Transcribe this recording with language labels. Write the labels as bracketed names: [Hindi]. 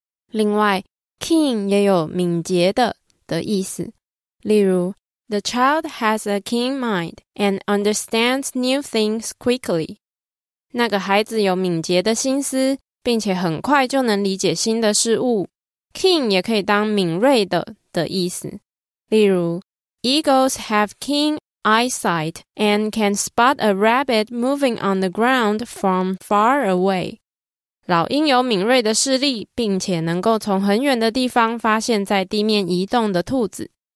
[Chinese] 另外 ,keen 也有敏捷的意思。例如 [English] ,The child has a keen mind and understands new things quickly. [Chinese] 那个孩子有敏捷的心思，并且很快就能理解新的事物。 Keen 也可以当敏锐的意思。例如 [English] ,Eagles have keen eyesight and can spot a rabbit moving on the ground from far away. [Chinese] 老鹰有敏锐的视力，并且能够从很远的地方发现在地面移动的兔子。